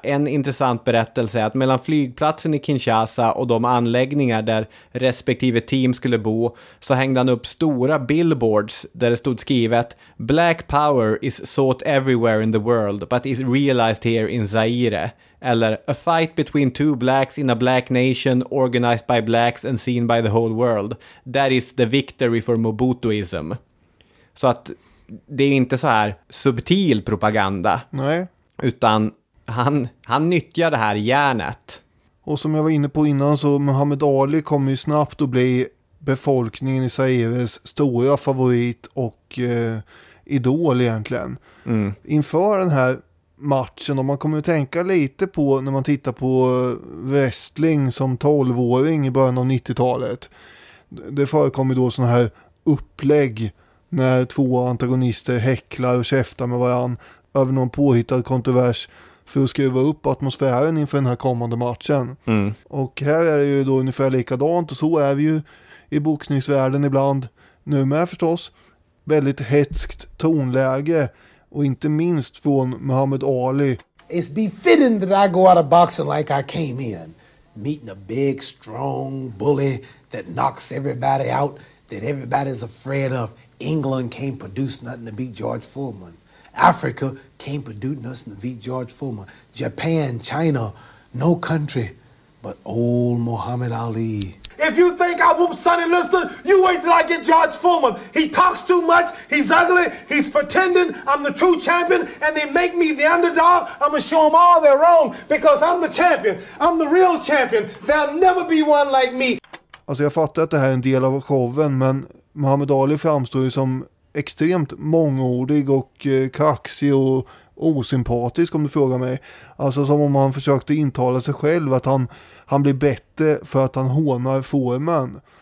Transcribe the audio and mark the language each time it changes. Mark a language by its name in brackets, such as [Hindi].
[Swedish] En intressant berättelse är att mellan flygplatsen i Kinshasa och de anläggningar där respektive team skulle bo så hängde han upp stora billboards där det stod skrivet [English] Black power is sought everywhere in the world but is realized here in Zaire. [Swedish] Eller [English] A fight between two blacks in a black nation organized by blacks and seen by the whole world. That is the victory for Mobutuism. [Swedish] Så att det är inte så här subtil propaganda. Nej. Utan han nyttjar det här hjärnet. Och som jag var inne på innan så Muhammad Ali kommer ju snabbt att bli befolkningen i Zaires stora favorit och idol egentligen. Mm. Inför den här matchen, och man kommer ju tänka lite på när man tittar på wrestling som 12-åring i början av 90-talet. Det förekommer då sådana här upplägg när två antagonister häcklar och käftar med varann över någon påhittad kontrovers för att skruva upp atmosfären inför den här kommande matchen. Mm. Och här är det ju då ungefär likadant, och så är vi ju i boxningsvärlden ibland nu med förstås. Väldigt hetskt tonläge, och inte minst från Muhammad Ali. [English] It's befitting that I go out of boxing like I came in, meeting a big strong bully that knocks everybody out, that everybody's afraid of. England can't produce nothing to beat George Foreman. Africa can't produce nothing to beat George Foreman. Japan, China, no country but old Muhammad Ali. If you think I whoop Sonny Liston, you wait till I get George Foreman. He talks too much, he's ugly, he's pretending I'm the true champion, and they make me the underdog. I'm gonna show them all they're wrong because I'm the champion. I'm the real champion. There'll never be one like me. [Swedish] Alltså jag fattar att det här är en del av showen, men Muhammad Ali framstår ju som extremt mångordig och kaxig och osympatisk om du frågar mig. Alltså som om han försökte intala sig själv att han blir bättre för att han hånar Foreman.